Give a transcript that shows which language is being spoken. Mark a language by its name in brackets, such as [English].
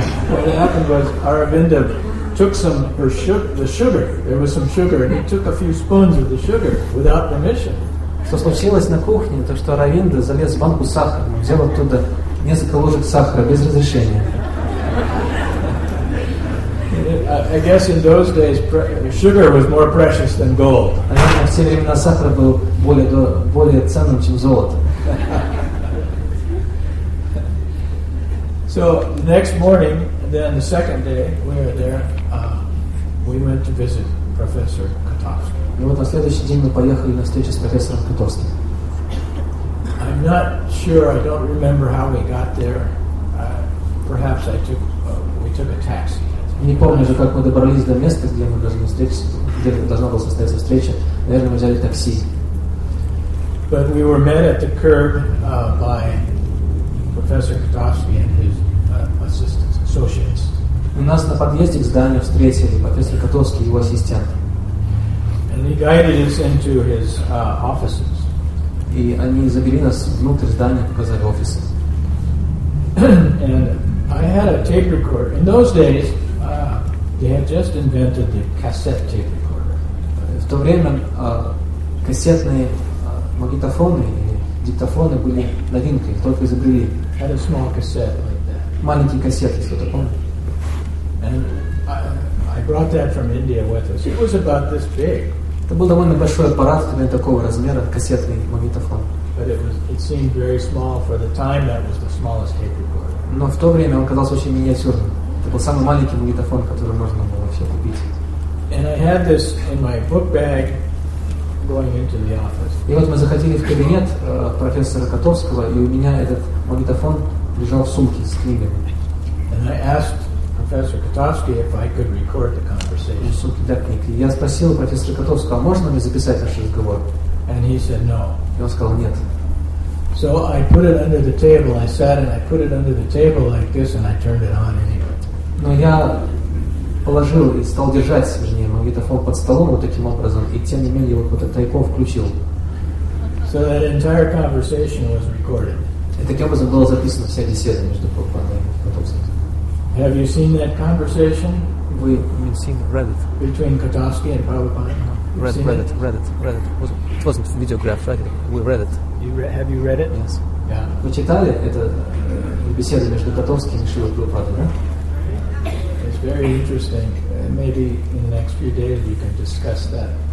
[English] What happened was Aravinda took some her sugar, the sugar. There was some sugar, and he took a few spoons of the sugar without permission. [Russian] Что случилось на кухне, то что Аравинда залез в банку сахара, взял оттуда несколько ложек сахара без разрешения. [English] I guess in those days sugar was more precious than gold. [Russian] Наверное, в те времена сахар был более ценным, чем золото. [English] So the next morning, and then the second day, we were there. We went to visit Professor Katovsky. [Russian] И вот на следующий день мы поехали на встречу с профессором Котовским. [English] I'm not sure. I don't remember how we got there. Perhaps we took a taxi. [Russian] Не помню же, как мы добрались до места, где мы должны встретиться, где должна была состояться встреча. Наверное, мы взяли такси. [English] But we were met at the curb by Professor Katovsky and his assistants, associates. [Russian] У нас на подъезде к зданию встретили профессор Котовский и его ассистент. [English] And he guided us into his offices. [Russian] И они завели нас внутрь здания, показали офисы. [English] And I had a tape recorder. In those days, they had just invented the cassette tape recorder. [Russian] В то время кассетные магнитофоны и диктофоны были новинкой, только изобрели. [English] Had a small cassette like that. [Russian] Маленький кассет, если кто-то помнит. [English] And I brought that from India with us. It was about this big. [Russian] Это был довольно большой аппарат, примерно такого размера, кассетный магнитофон. [English] But it seemed very small for the time. That was the smallest tape recorder. [Russian] Но в то время он казался очень миниатюрным. Это был самый маленький магнитофон, который можно было вообще купить. [English] And I had this in my book bag, going into the office. [Russian] И вот мы заходили в кабинет профессора Котовского, и у меня этот магнитофон лежал в сумке с книгами. [English] And I asked Professor Katovsky, if I could record the conversation. [Russian] Я спросил профессора Котовского, а можно ли записать наш разговор? [English] And he said no. [Russian] И он сказал нет. [English] So I put it under the table. I sat and I put it under the table like this, and I turned it on anyway. [Russian] Но я положил и стал держать, вернее, магнитофон под столом вот таким образом, и тем не менее его вот тайко включил. [English] So that entire conversation was recorded. [Russian] И таким образом была записана вся беседа между Котовским. [English] Have you seen that conversation? We mean seen Reddit. Between Katovsky and Prabhupada? Reddit. It wasn't videographed, right? We read it. Have you read it? Yes. [Russian] Вы читали это беседу между Котовским и Шрила Прабхупадой, да? [English] It's very interesting. Maybe in the next few days we can discuss that.